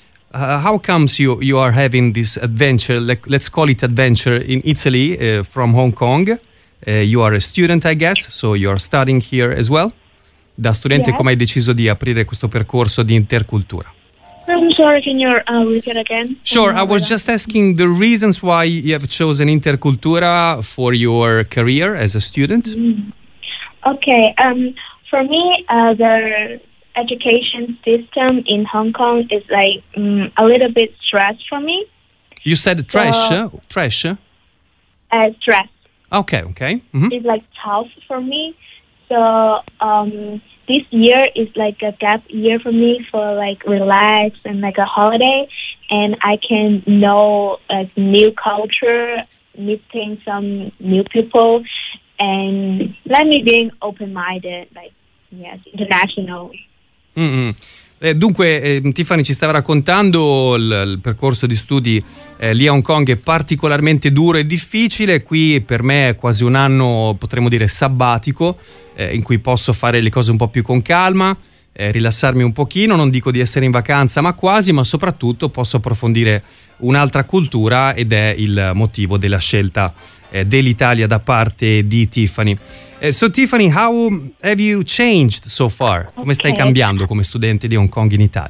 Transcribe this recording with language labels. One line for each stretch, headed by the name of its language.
English: How comes you are having this adventure, let's call it adventure, in Italy, from Hong Kong? You are a student, I guess, so you are studying here as well.
Italian: Da studente,
English: yes.
Italian: Come hai deciso di aprire questo percorso di intercultura?
English: I'm sorry, can you repeat again? Sure, I was just asking the reasons why you have chosen intercultura for your career as a student. Mm. Okay, for me, education system in Hong Kong is like a little bit stressed for me. You said trash, trash? Stress. Okay. Mm-hmm. It's like tough for me. So this year is like a gap year for me for like relax and like a holiday. And I can know like new culture, meeting some new people, and let me being open-minded, like, yes, international. Mm-hmm.
Italian: Tiffany ci stava raccontando il percorso di studi lì a Hong Kong è particolarmente duro e difficile. Qui per me è quasi un anno, potremmo dire, sabbatico, in cui posso fare le cose un po' più con calma, rilassarmi un pochino, non dico di essere in vacanza, ma quasi, ma soprattutto posso approfondire un'altra cultura, ed è il motivo della scelta dell'Italia da parte di Tiffany.
English: So Tiffany, how have you changed so far? Okay.
Italian: Come stai cambiando come studente di Hong Kong in Italia?